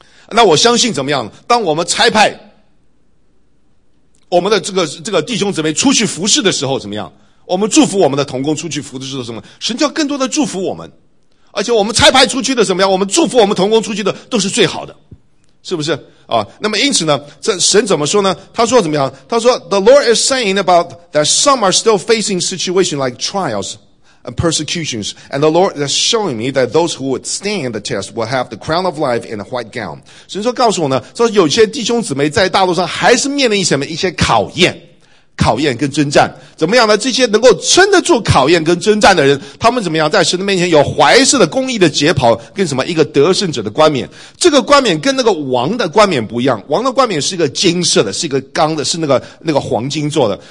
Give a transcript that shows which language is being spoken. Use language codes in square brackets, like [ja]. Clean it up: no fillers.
[zh] 那我相信怎么样？当我们差派我们的这个弟兄姊妹出去服事的时候，怎么样？我们祝福我们的同工出去服事的时候，什么？神就要更多的祝福我们，而且我们差派出去的怎么样？我们祝福我们同工出去的都是最好的，是不是啊？那么因此呢，这神怎么说呢？他说怎么样？他说 [en] ：“The Lord is saying about that some are still facing situation like trials.” And persecutions, and the Lord is showing me that those who would stand the test will have the crown of life and a white gown. [zh] 神说告诉我呢，说有些弟兄姊妹在大陆上还是面临一些考验，考验跟征战，怎么样呢？这些能够撑得住考验跟征战的人，他们怎么样在神的面前有怀慑的公义的解袍，跟什么一个得胜者的冠冕？这个冠冕跟那个王的冠冕不一样，王的冠冕是一个金色的，是一个钢的，是那个黄金做的。